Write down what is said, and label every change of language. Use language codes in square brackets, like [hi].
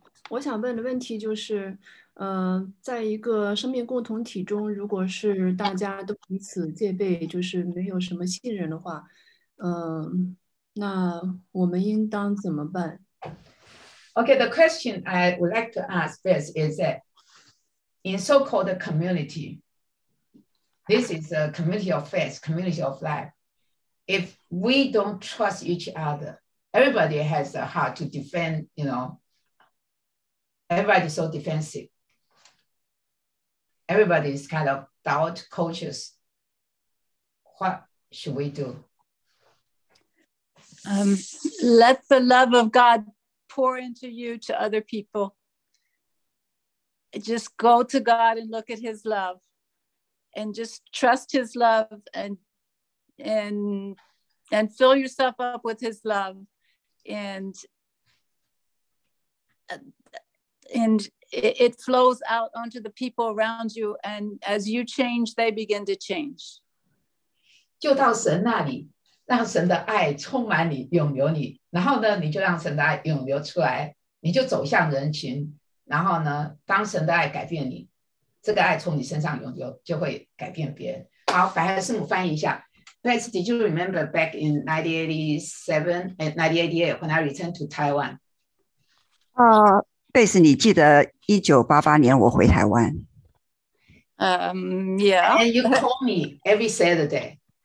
[zh] 我想问的问题就是，在一个生命共同体中，如果是大家都彼此戒备，就是没有什么信任的话，那我们应当怎么办？ [en] Okay, the question I would like to ask first is that in so-called community, this is a community of faith, community of life. If we don't trust each other, everybody has a heart to defend, you know, everybody is so defensive. Everybody is kind of doubt cautious. What should we do? Let the love of God pour into you to other people. Just go to God and look at his love and just trust his love and fill yourself up with his love. And it flows out onto the people around you. And as you change, they begin to change. [zh] 就到神那里。让神的爱充满你，涌流你，然后呢，你就让神的爱涌流出来，你就走向人群，然后呢，当神的爱改变你，这个爱从你身上涌流，就会改变别人。好，白孩师母翻译一下。 [en] Please, did you remember back in 1987 and 1988 when I returned to Taiwan? [zh] Please, 你记得1988年我回台湾。 [en] Yeah. And you call me every Saturday.